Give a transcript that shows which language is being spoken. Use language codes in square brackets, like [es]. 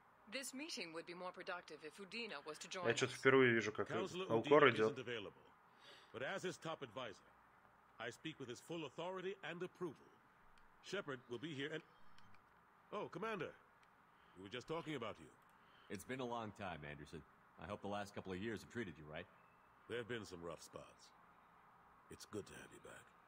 [en] This meeting would be more productive if Udina was to join. [ru] Я что-то впервые вижу, как Алкор идет. [en] But as his top advisor, I speak with his full authority and approval. Shepard will be here and... Oh, Commander, we were just talking about you. It's been a long time, Anderson. I hope the last couple of years have treated you right. There have been some rough spots. It's good to have you back.